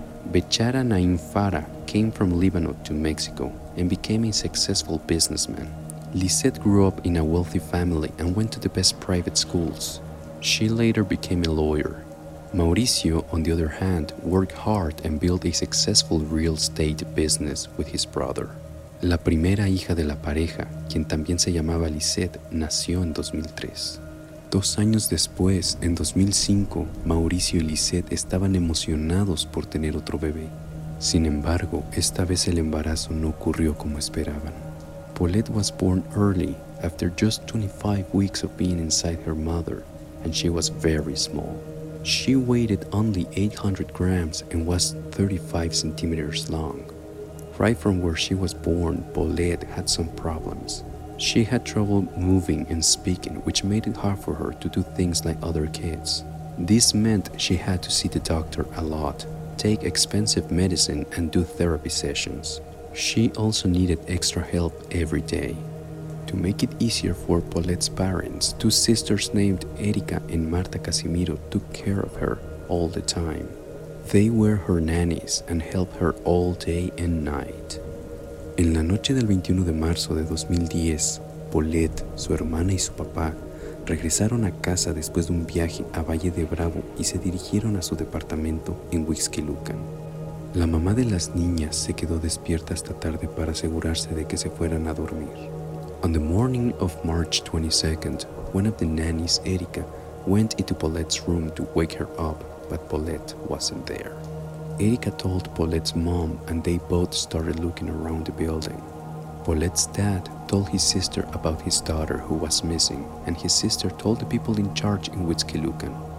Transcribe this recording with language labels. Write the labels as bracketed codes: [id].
[en] Bechara Naim Farah came from Lebanon to Mexico and became a successful businessman. Lisette grew up in a wealthy family and went to the best private schools. She later became a lawyer. Mauricio, on the other hand, worked hard and built a successful real estate business with his brother. [es] La primera hija de la pareja, quien también se llamaba Lisette, nació en 2003. 2 años después, en 2005, Mauricio y Lisette estaban emocionados por tener otro bebé. Sin embargo, esta vez el embarazo no ocurrió como esperaban. [en] Paulette was born early, after just 25 weeks of being inside her mother, and she was very small. She weighed only 800 grams and was 35 centimeters long. Right from where she was born, Paulette had some problems. She had trouble moving and speaking, which made it hard for her to do things like other kids. This meant she had to see the doctor a lot, take expensive medicine, and do therapy sessions. She also needed extra help every day. To make it easier for Paulette's parents, 2 sisters named Erika and Marta Casimiro took care of her all the time. They were her nannies and helped her all day and night. [es] En la noche del 21 de marzo de 2010, Paulette, su hermana y su papá regresaron a casa después de un viaje a Valle de Bravo y se dirigieron a su departamento en Huixquilucan. La mamá de las niñas se quedó despierta hasta tarde para asegurarse de que se fueran a dormir. [en] On the morning of March 22nd, one of the nannies, Erika, went into Paulette's room to wake her up, but Paulette wasn't there. Erika told Paulette's mom and they both started looking around the building. Paulette's dad told his sister about his daughter who was missing and his sister told the people in charge in Huixquilucan.